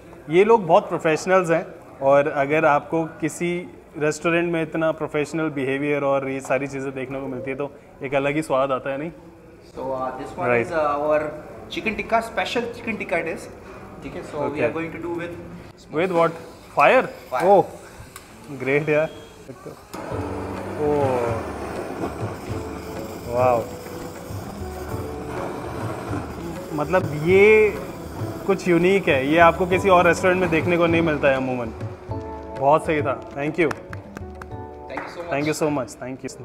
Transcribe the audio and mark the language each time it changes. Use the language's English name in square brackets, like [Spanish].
[Hindi] ये लोग बहुत professionals हैं, और अगर आपको किसी रेस्टोरेंट में इतना professional बिहेवियर और ये सारी चीजें देखने को मिलती है तो एक अलग ही स्वाद आता है, नहीं? [English] So, this one right. is our chicken tikka, special chicken tikka it is. [Hindi] ठीक है, [English] so okay. we are going to do with smoke. With what? Fire? Fire. Oh. [Hindi] Great यार, ओ वाओ, मतलब ये कुछ यूनिक है, ये आपको किसी और रेस्टोरेंट में देखने को नहीं मिलता है अमूमन। बहुत सही था, [English] Thank you so much. Thank you.